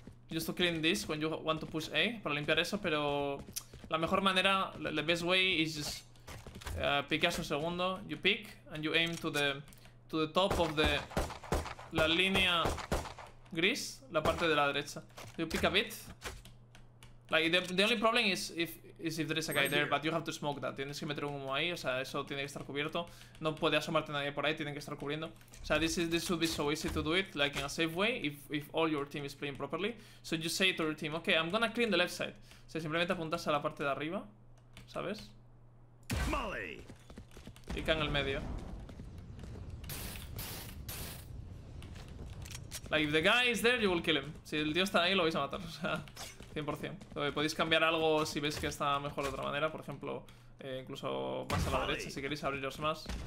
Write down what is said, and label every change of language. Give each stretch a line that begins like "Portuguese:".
English: Just to clean this when you want to push A
Spanish: para limpiar eso, pero la mejor manera,
English: the best way is just
Spanish: piqueas un segundo,
English: you pick and you aim to the top of the
Spanish: la línea gris, la parte de la derecha.
English: You pick a bit. Like the only problem is if there is a guy there, but you have to smoke that.
Spanish: Tienes que meter un humo ahí, o sea, eso tiene que estar cubierto. No puede asomarte nadie por ahí, tienen que estar cubriendo. O sea,
English: this should be so easy to do it, like in a safe way, if all your team is playing properly. So you say to your team, okay, I'm gonna clean the left side.
Spanish: O sea, simplemente apuntas a la parte de arriba, ¿sabes?
English: Molly.
Spanish: Y cae en el medio.
English: Like, if the guy is there, you will kill him.
Spanish: Si el tío está ahí, lo vais a matar, o sea, 100%. Podéis cambiar algo si veis que está mejor de otra manera, por ejemplo, incluso más a la derecha si queréis abriros más.